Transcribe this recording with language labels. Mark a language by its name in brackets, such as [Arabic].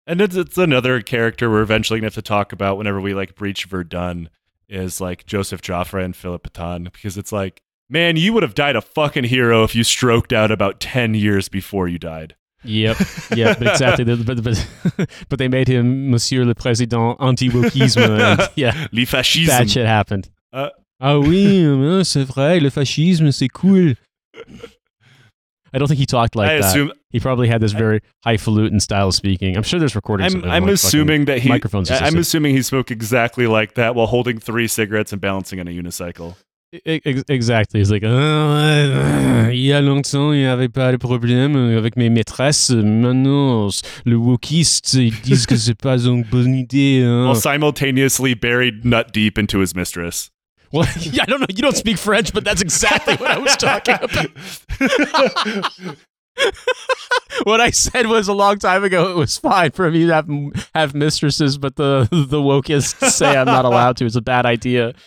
[English] And it's another character we're eventually going to have to talk about whenever we, like, breach Verdun, is, like, Joseph Joffre and Philippe Pétain, because it's like, man, you would have died a fucking hero if you stroked out about 10 years before you died. Yep. Yeah, exactly. but they made him Monsieur le Président anti-wokisme. Yeah. [French] Le fascisme. [English] Bad shit happened. [French] Ah oui, c'est vrai, le fascisme, c'est cool. [English] I don't think he talked like that. Assume, he probably had this very highfalutin style of speaking. I'm sure there's recordings. I'm assuming he spoke exactly like that while holding three cigarettes and balancing on a unicycle. Exactly. [French] He's like, il y a longtemps, il n'y avait pas de problème avec mes maîtresses. Maintenant, le wokiste, ils disent que c'est pas une bonne idée. Hein. [English] While simultaneously buried nut deep into his mistress. Well, yeah, I don't know. You don't speak French, but that's exactly what I was talking about. what I said was a long time ago, it was fine for me to have mistresses, but the wokeists say I'm not allowed to. It's a bad idea.